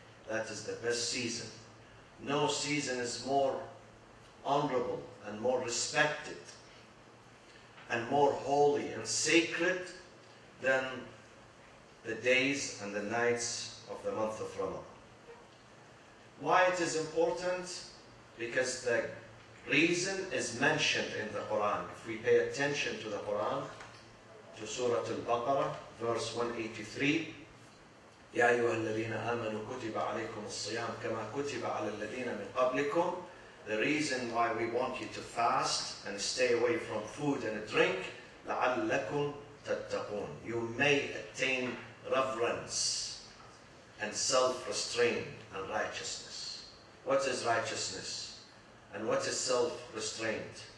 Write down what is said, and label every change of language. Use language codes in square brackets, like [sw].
[en] That is the best season. No season is more honorable and more respected and more holy and sacred than the days and the nights of the month of Ramadan. Why it is important? Because the reason is mentioned in the Quran. [ar] If we pay attention to the Quran, to Surah Al-Baqarah, verse 183, يَا أَيُّهَا الَّذِينَ آمَنُوا كُتِبَ عَلَيْكُمُ الصِّيَامُ كَمَا كُتِبَ عَلَى الَّذِينَ مِنْ قَبْلِكُمْ. [en] The reason why we want you to fast and stay away from food and drink, لَعَلَّكُمْ تَتَّقُونَ. You may attain reverence and self-restraint and righteousness. What is righteousness? And what is self-restraint?